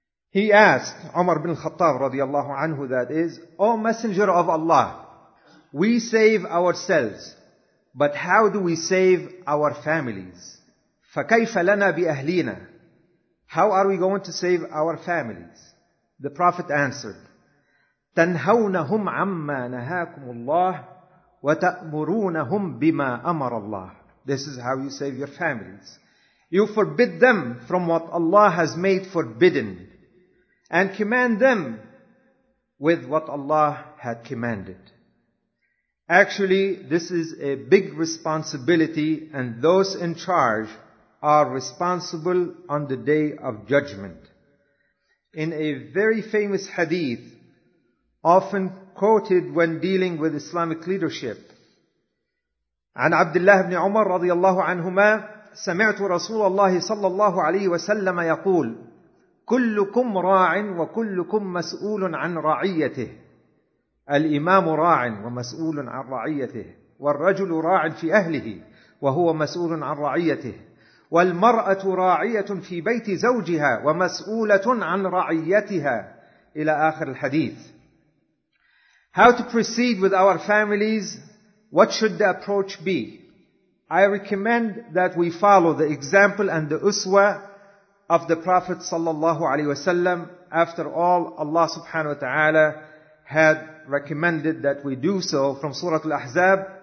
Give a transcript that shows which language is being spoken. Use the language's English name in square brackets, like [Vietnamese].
[English] He asked, Umar bin al-Khattab radiallahu anhu, that is, O Messenger of Allah, we save ourselves, but how do we save our families? [Arabic] فَكَيْفَ لَنَا بِأَهْلِينَا. [English] How are we going to save our families? The Prophet answered, [Arabic] تَنْهَوْنَهُمْ عَمَّا نَهَاكُمُ اللَّهِ وَتَأْمُرُونَهُمْ بِمَا أَمَرَ اللَّهِ. [English] This is how you save your families. You forbid them from what Allah has made forbidden, and command them with what Allah had commanded. Actually, this is a big responsibility, and those in charge are responsible on the day of judgment. In a very famous hadith, often quoted when dealing with Islamic leadership, [Arabic] عن عبد الله بن عمر رضي الله عنهما سمعت رسول الله صلى الله عليه وسلم يقول كلكم راع وكلكم مسؤول عن رعيته. الإمام راع ومسؤول عن رعيته، والرجل راع في أهله وهو مسؤول عن رعيته، والمرأة راعية في بيت زوجها ومسؤولة عن رعيتها، إلى آخر الحديث. [English] How to proceed with our families? What should the approach be? I recommend that we follow the example and the uswa of the Prophet sallallahu alaihi wasallam. After all, Allah subhanahu wa ta'ala had recommended that we do so from Surah Al-Ahzab.